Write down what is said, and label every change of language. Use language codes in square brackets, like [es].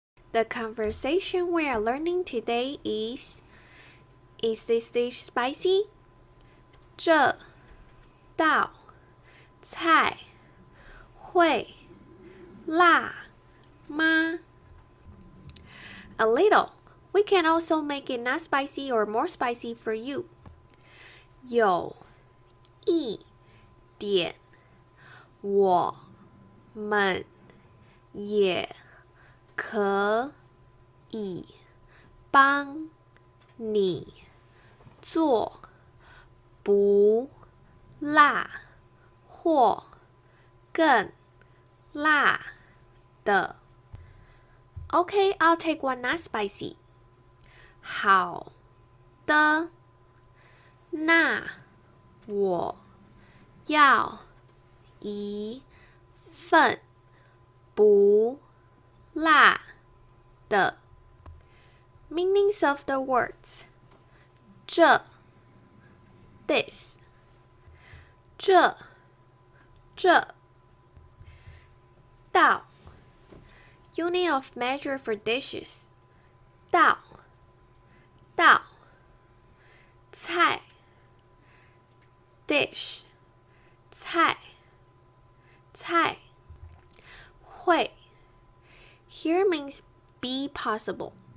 [en] The conversation we are learning today is this dish spicy? [zh] 这道菜会辣吗? [en] A little. We can also make it not spicy or more spicy for you. [zh] 有一点我们也可以帮你做不辣或更辣的。 [en] OK, I'll take one not spicy. [zh] 好的，那我要一份不辣的。 [en] Meanings of the words. 这 This 这这道 Unit of measure for dishes. 道道菜 Dish 菜菜会 Here means be possible.